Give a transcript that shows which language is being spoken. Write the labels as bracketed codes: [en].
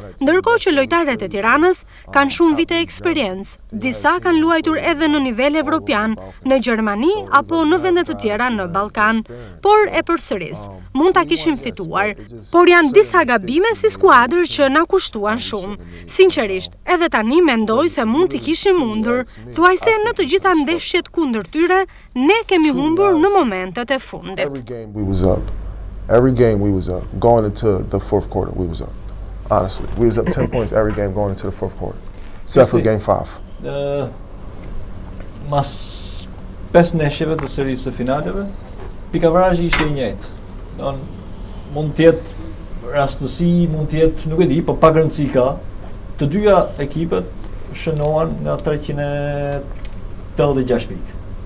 [sq] Ndërkohë që lojtarët e Tiranës kanë shumë vite eksperiencë, disa kanë luajtur edhe në nivel evropian, në Gjermani apo në vendet të tjera në Ballkan, por e përsëris, mund ta kishim fituar, por janë disa gabime si skuadër që na kushtuan shumë. Sinqerisht, edhe tani mendoj se mund t'i kishim mundur. Pajse në të gjitha ndeshjet kundër tyre, ne kemi humbur në momentet e fundit. [en] Every game we was up 10 points every game going into the fourth quarter. Except for game 5. [sq] Mas 5 ndeshjeve të serisë së finaleve, pikavarazhi ishte i njëjtë. Don mund të jetë rastësi, mund të jetë, nuk e di, po pa rëndësi ka. Të dyja ekipet shënohen nga 386 pikë.